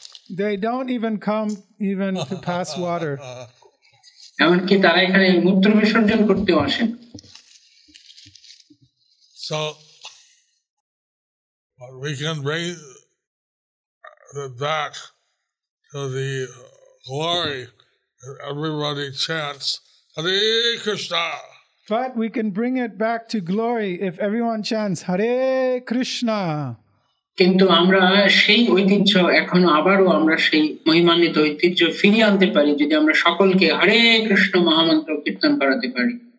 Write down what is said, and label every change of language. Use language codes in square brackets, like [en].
[en] they don't even come even to pass water [bn] এমনকি তারা এখানে মূত্র বিসর্জন করতেও আসে [en] so but we can bring that back to the glory everybody chants Hare Krishna but we can bring it back to glory if everyone chants Hare Krishna [bn] কিন্তু আমরা সেই ঐতিহ্য এখন আবারও আমরা সেই মহিমান্বিত ঐতিহ্য ফিরিয়ে আনতে পারি যদি আমরা সকলকে হরে কৃষ্ণ মহামন্ত্র কীর্তন করাতে পারি